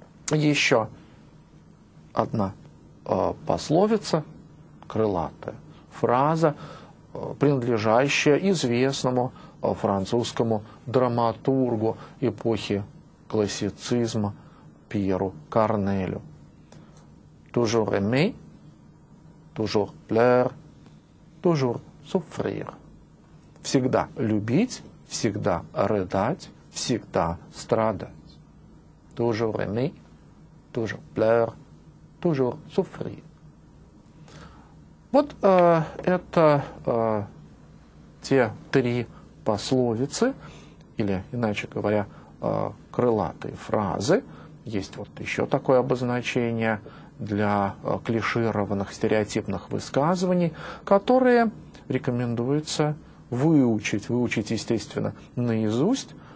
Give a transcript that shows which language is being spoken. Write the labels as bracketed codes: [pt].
[ru] Еще одна пословица, крылатая фраза, принадлежащая известному французскому драматургу эпохи классицизма Пьеру Корнелю. [fr] Toujours aimer, toujours plaire, toujours souffrir. [ru] Всегда любить, всегда рыдать, всегда страдать. [fr] Toujours aimer, toujours plaire, toujours souffrir. [ru] Вот это те три пословицы, или, иначе говоря, крылатые фразы. Есть вот еще такое обозначение для клишированных стереотипных высказываний, которые рекомендуется выучить, естественно, наизусть.